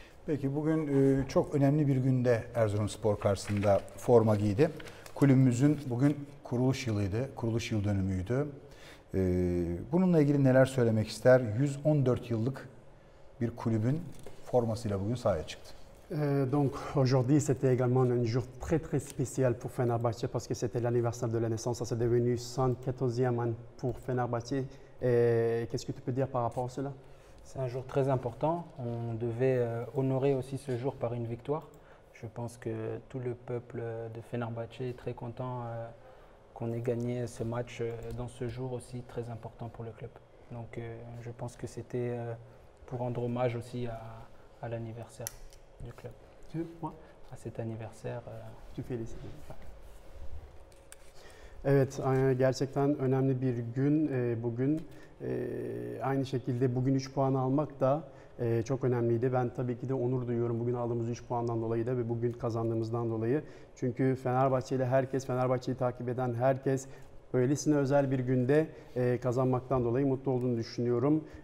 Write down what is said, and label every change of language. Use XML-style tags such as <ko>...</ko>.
<tr>Peki bugün çok önemli bir günde Erzurumspor karşısında forma giydi. Kulübümüzün bugün kuruluş yılıydı, kuruluş yıl dönümüydü. Bununla ilgili neler söylemek ister? 114 yıllık bir kulübün formasıyla bugün sahaya çıktı.</tr> <fr>Donc aujourd'hui c'était également un jour très très spécial pour Fenerbahçe parce que c'était l'anniversaire de la naissance, c'est devenu 114e an pour Fenerbahçe. Qu'est-ce que tu peux dire par rapport à cela? C'est un jour très important. On devait honorer aussi ce jour par une victoire. Je pense que tout le peuple de Fenerbahçe est très content qu'on ait gagné ce match dans ce jour aussi très important pour le club. Donc je pense que c'était pour rendre hommage aussi à l'anniversaire du club. À cet anniversaire. Tu félicites.</fr> <tr>Evet, gerçekten önemli bir gün bugün. Aynı şekilde bugün 3 puan almak da çok önemliydi. Ben tabii ki de onur duyuyorum bugün aldığımız 3 puandan dolayı da ve bugün kazandığımızdan dolayı. Çünkü Fenerbahçe'yi takip eden herkes böylesine özel bir günde kazanmaktan dolayı mutlu olduğunu düşünüyorum.</tr>